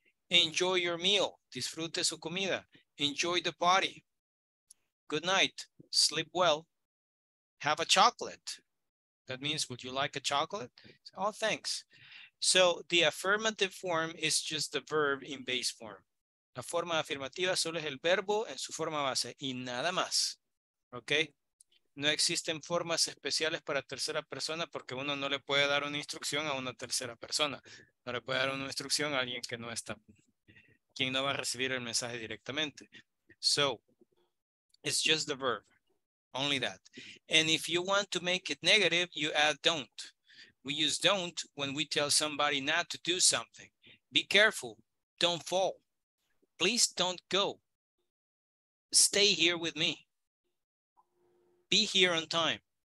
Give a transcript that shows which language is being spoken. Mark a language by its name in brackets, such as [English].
[English] Enjoy your meal, [Spanish] disfrute su comida, [English] enjoy the party. Good night, sleep well, have a chocolate. That means, would you like a chocolate? Oh, thanks. So the affirmative form is just the verb in base form. [Spanish] La forma afirmativa solo es el verbo en su forma base y nada más, okay? No existen formas especiales para tercera persona porque uno no le puede dar una instrucción a una tercera persona. No le puede dar una instrucción a alguien que no está, quien no va a recibir el mensaje directamente. [English] So, it's just the verb, only that. And if you want to make it negative, you add don't. We use don't when we tell somebody not to do something. Be careful, don't fall. Please don't go. Stay here with me. Be here on time.